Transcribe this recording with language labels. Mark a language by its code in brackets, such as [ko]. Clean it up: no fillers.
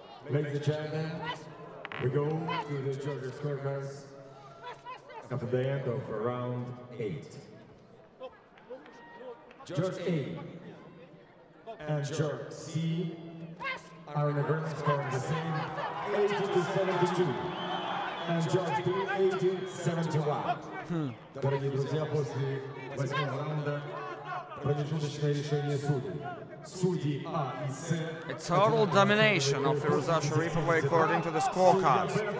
[en] Ladies and gentlemen, we go to the judges' corners at the end of round 8. Judge A and Judge C are in agreement scoring the same 80-72. And Judge B, 80-71. [ru] Друзья, после 8 раунда промежуточное решение судей. [en] A total domination of Firuza Sharipova according to the scorecards.